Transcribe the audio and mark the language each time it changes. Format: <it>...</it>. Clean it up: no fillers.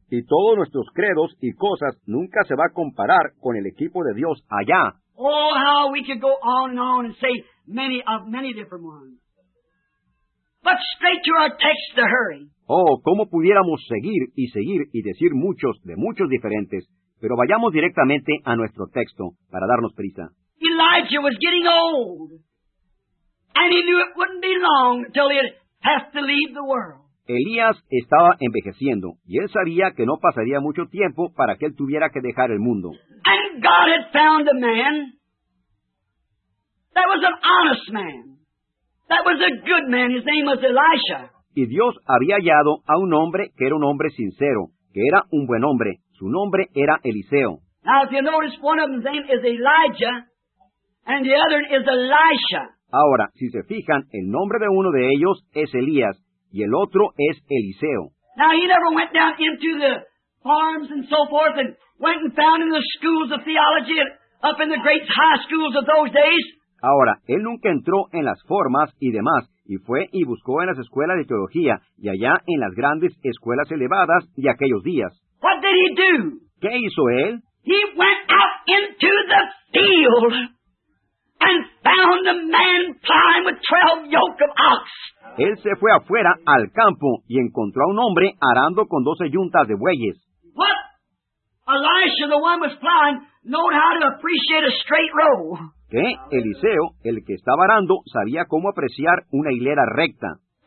<es>Y todos nuestros credos y cosas nunca se va a comparar con el equipo de Dios allá.</es> <en>Oh, how we could go on and on and say many of many different ones. But straight to our text to hurry.</en> <es>Oh, cómo pudiéramos seguir y seguir y decir muchos de muchos diferentes, pero vayamos directamente a nuestro texto para darnos prisa.</es> <en>Elijah was getting old, and he knew it wouldn't be long until he had to leave the world.</en> <es>Elías estaba envejeciendo, y él sabía que no pasaría mucho tiempo para que él tuviera que dejar el mundo.</es> <en>And God had found a man that was an honest man. That was a good man. His name was Elisha.</en> <es>Y Dios había hallado a un hombre que era un hombre sincero, que era un buen hombre. Su nombre era Eliseo.</es> <en>Now, if you notice, one of them's name is Elijah, and the other is Elisha.</en> <es>Ahora, si se fijan, el nombre de uno de ellos es Elías, y el otro es Eliseo.</es> <en>Now, he never went down into the farms and so forth and went and found in the schools of theology up in the great high schools of those days.</en> <es>Ahora, él nunca entró en las formas y demás, y fue y buscó en las escuelas de teología, y allá en las grandes escuelas elevadas de aquellos días.</es> <en>What did he do?</en> <es>¿Qué hizo él?</es> <en>He went out into the field and found a man plowing with 12 yoke of ox.</en> <es>Él se fue afuera al campo y encontró a un hombre arando con 12 yuntas de bueyes.</es> <en>What? Elisha, the one who was plowing, knew how to appreciate a straight row.</en> <es>Que Eliseo, el que estaba arando, sabía cómo apreciar una hilera recta.</es>